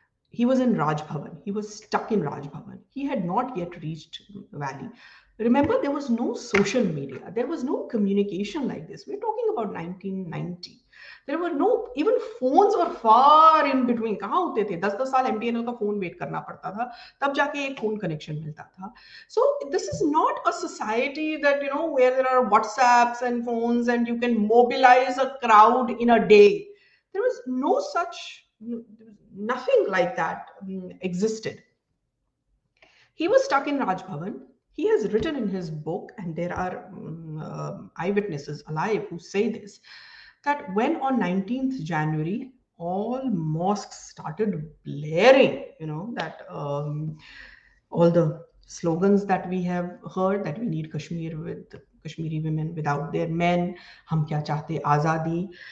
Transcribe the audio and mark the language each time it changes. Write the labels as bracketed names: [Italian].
[English] He was in Raj Bhavan. He was stuck in Raj Bhavan. He had not yet reached the valley. Remember, there was no social media. There was no communication like this. We're talking about 1990. There were no, even phones were far in between. [Hindi] कहाँ होते थे? 10-10 साल MTNL का phone wait करना पड़ता था, तब जाके एक फोन कनेक्शन मिलता था. [English] So this is not a society that, you know, where there are WhatsApps and phones and you can mobilize a crowd in a day. There was no such, nothing like that existed. He was stuck in Raj Bhavan. He has written in his book, and there are eyewitnesses alive who say this, that when on 19th January, all mosques started blaring, you know, that all the slogans that we have heard, that we need Kashmir with Kashmiri women without their men, [Hindi] hum kya chahte azadi,